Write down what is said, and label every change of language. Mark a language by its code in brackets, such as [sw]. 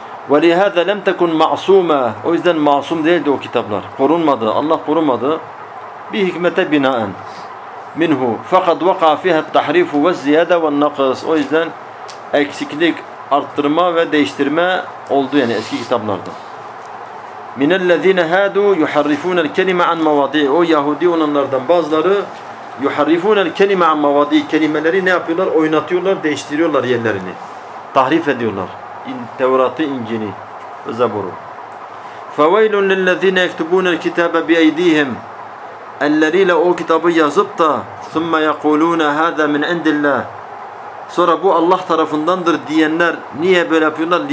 [ar] وَلِهَذَا لَمْ تَكُنْ مَعْصُومًا [tr] O yüzden masum değildi o kitaplar. Korunmadı. Allah korumadı. Bir hikmete binaen. [ar] مِنْهُ فَقَدْ وَقَعَ فِيهَا التَّحْرِيفُ وَالزِّيَادَ وَالنَّقِصُ [tr] O yüzden eksiklik, arttırma ve değiştirme oldu yani eski kitaplarda. [ar] مِنَ الَّذِينَ هَادُوا يُحَرِّفُونَ الْكَلِمَ عَنْ مَوَضِعِ [tr] O Yahudi olanlardan bazıları [ar] يُحَرِّفُونَ الْكَلِمَ عَنْ مَوَضِعِ [tr] Kelimeleri ne yapıyorlar? Oynatıyorlar, değiştiriyorlar yerlerini. Tahrif ediyorlar. Tevrat'ı, İncil'i, Zebur'u. [ar] فَوَيْلٌ لِلَّذِينَ يَكْتُبُونَ الْكِتَابَ بِأَيْدِيهِمْ [tr] Elleriyle o kitabı yazıp da [ar] ثُمَّ يَقُولُونَ هَذَا مِنْ عِنْدِ اللّٰهِ [tr] Sonra bu Allah tarafındandır diyenler niye böyle yapıyorlar?